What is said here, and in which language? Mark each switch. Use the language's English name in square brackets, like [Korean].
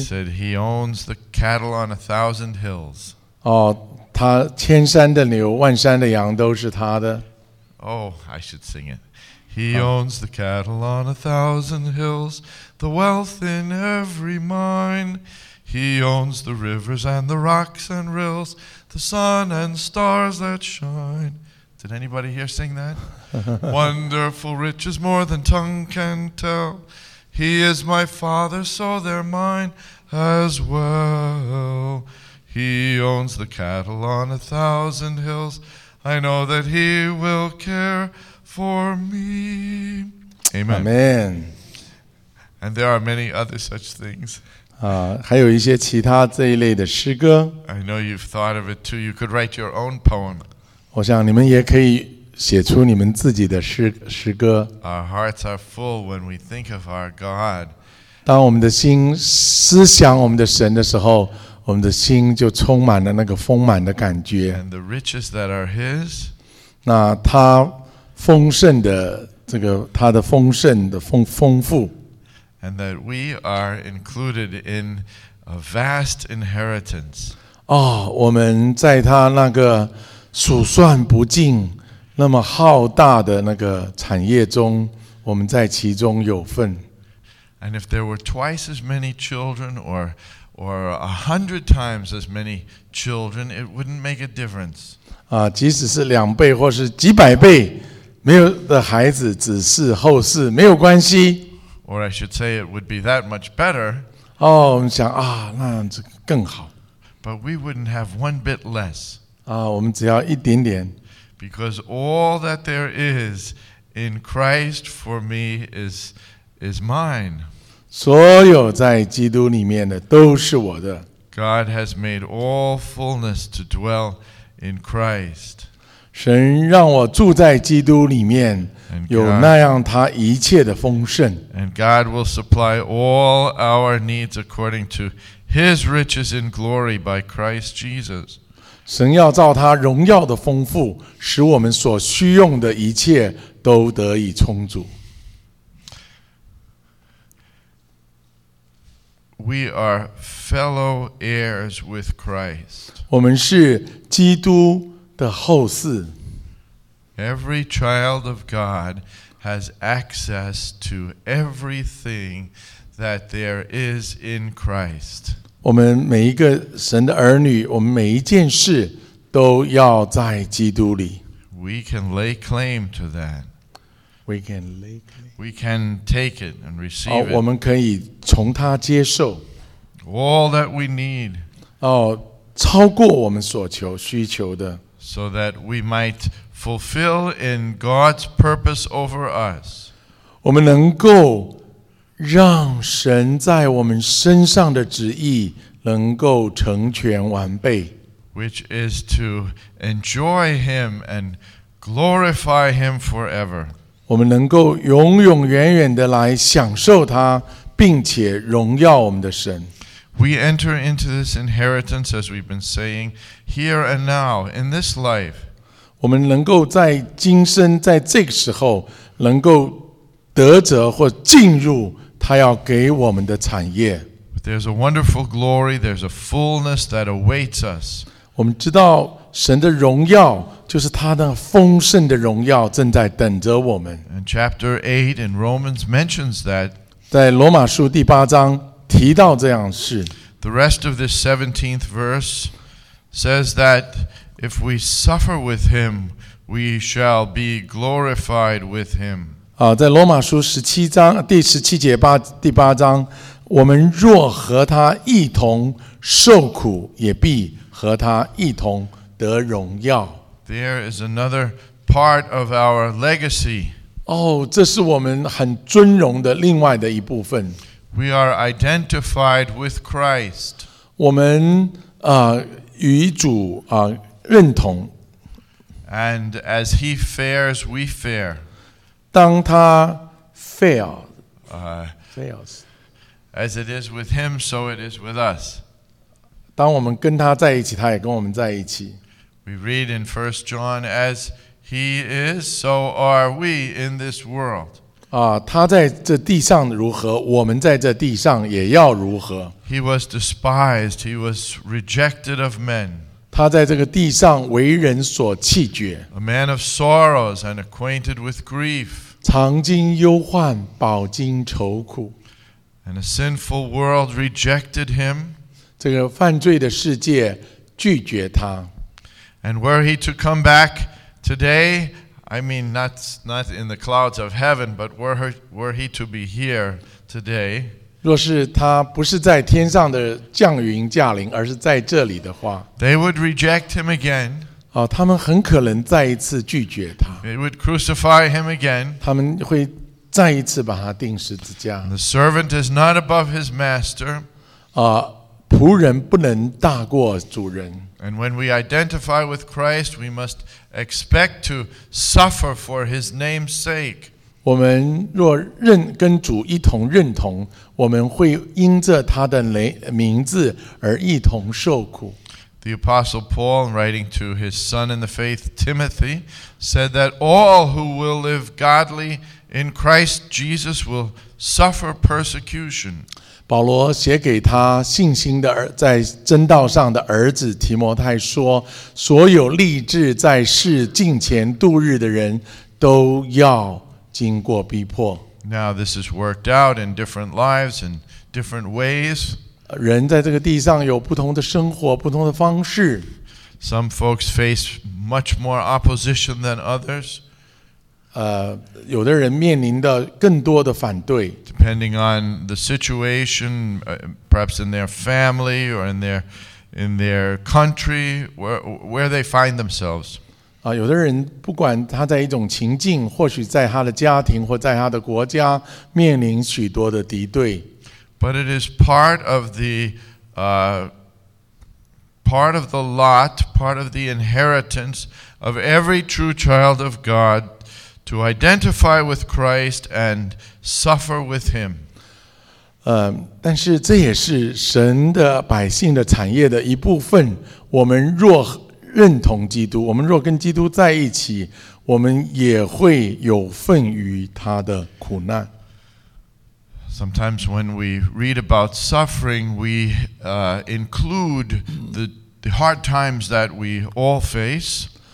[English] It said, "He owns the cattle on a thousand hills." [Chinese] 他千山的牛，万山的羊都是他的。 [English] Oh, I should sing it. He owns the cattle on a thousand hills, the wealth in every mine. He owns the rivers and the rocks and rills. The sun and stars that shine. Did anybody here sing that? Wonderful riches more than tongue can tell. He is my father, so they're mine as well. He owns the cattle on a thousand hills. I know that he will care for me. Amen. Amen. And there are many other such things. [Chinese] 还有一些其他这一类的诗歌。 [English] I know you've thought of it too. You could write your own poem. [Chinese] 我想你们也可以写出你们自己的诗歌。 [English] Our hearts are full when we think of our God. [Chinese] 当我们的心思想我们的神的时候，我们的心就充满了那个丰满的感觉。 [English] And the riches that are His. [Chinese] 那他丰盛的这个他的丰盛的丰富。 [English] And that we are included in a vast inheritance. [Chinese] 哦，我们在他那个数算不尽、那么浩大的那个产业中，我们在其中有份。 [English] And if there were twice as many children, or 100 times as many children, it wouldn't make a difference. [Chinese] 啊，即使是两倍或是几百倍，没有的孩子只是后世，没有关系。 [English] Or I should say, it would be that much better. [Chinese] 哦，我们想啊，那样子更好。 [English] But we wouldn't have one bit less. [Chinese] 啊，我们只要一点点。 [English] Because all that there is in Christ for me is mine. [Chinese] 所有在基督里面的都是我的。 [English] God has made all fullness to dwell in Christ. [Chinese] 神让我住在基督里面。有那样他一切的丰盛。 [English] And God will supply all our needs according to His riches in glory by Christ Jesus. [Chinese] 神要照他荣耀的丰富，使我们所需用的一切都得以充足。 [English] We are fellow heirs with Christ. [Chinese] 我们是基督的后嗣。 [English] Every child of God has access to everything that there is in Christ. [Chinese] 我们每一个神的儿女，我们每一件事都要在基督里。 [English] We can lay claim to that. We can lay claim. We can take it and receive it. [Chinese] 我们可以从他接受。 [English] All that we need. [Chinese] 哦，超过我们所求需求的。 [English] So that we might fulfill in God's purpose over us. [Chinese] 我们能够让神在我们身上的旨意能够成全完备。 [English] Which is to enjoy Him and glorify Him forever. [Chinese] 我们能够永永远远地来享受他，并且荣耀我们的神。 [English] We enter into this inheritance, as we've been saying, here and now, in this life. [Chinese] 我们能够在今生，在这个时候，能够得着或进入他要给我们的产业。 [English] There's a wonderful glory, there's a fullness that awaits us. [Chinese] 我们知道神的荣耀，就是他的丰盛的荣耀正在等着我们。 [English] And chapter 8 in Romans mentions that. [Chinese] 在罗马书第八章提到这样是。 [English] The rest of this 17th verse says that if we suffer with him, we shall be glorified with him. [Chinese] 在罗马书十七章第十七节第八章，我们若和他一同受苦，也必和他一同得荣耀。 [English] There is another part of our legacy. [Chinese] 这是我们很尊荣的另外的一部分。 [English] We are identified with Christ. [Chinese] 我们与主认同。 [English] And as he fares, we fare. [Chinese] 当他 [English] fails. As it is with him, so it is with us. [Chinese] 当我们跟他在一起，他也跟我们在一起。 [English] We read in 1 John, as he is, so are we in this world. [Chinese] 他在这地上如何，我们在这地上也要如何。 [English] He was despised, he was rejected of men. [Chinese] 他在这个地上为人所弃绝。 [English] A man of sorrows and acquainted with grief. [Chinese] 常经忧患，饱经愁苦。 [English] And a sinful world rejected him. [Chinese] 这个犯罪的世界拒绝他。 [English] And were he to come back today,I mean, not in the clouds of heaven, but were he to be here today, [Chinese] 若是他不是在天上的降云驾临，而是在这里的话， [English] they would reject him again. [Chinese] 他们很可能再一次拒绝他。 [English] They would crucify him again. [Chinese] 他们会再一次把他钉十字架。 [English] The servant is not above his master. [Chinese] 仆人不能大过主人。 [English] And when we identify with Christ, we must expect to suffer for His name's sake. [Chinese] 我们若认跟主一同认同，我们会因着他的名字而一同受苦。 [English] The Apostle Paul, writing to his son in the faith, Timothy, said that all who will live godly in Christ Jesus will suffer persecution. [Chinese] 保罗写给他信心的儿，在真道上的儿子提摩太说，所有立志在世敬虔度日的人都要经过逼迫。 [English] Now this is worked out in different lives and different ways. [Chinese] 人在这个地上有不同的生活，不同的方式。 [English] Some folks face much more opposition than others. [Chinese] 有的人面临的更多的反对。 [English] Depending on the situation, perhaps in their family or in their country, where they find themselves. [Chinese] 有的人不管他在一种情境，或许在他的家庭或在他的国家面临许多的敌对。 [English] But it is part of the part of the lot, part of the inheritance of every true child of God to identify with Christ and suffer with Him. [Chinese] 但是这也是神的百姓的产业的一部分。我们若认同基督，我们若跟基督在一起，我们也会有份于他的苦难。 [English] Sometimes when we read about suffering, we include the hard times that we all face.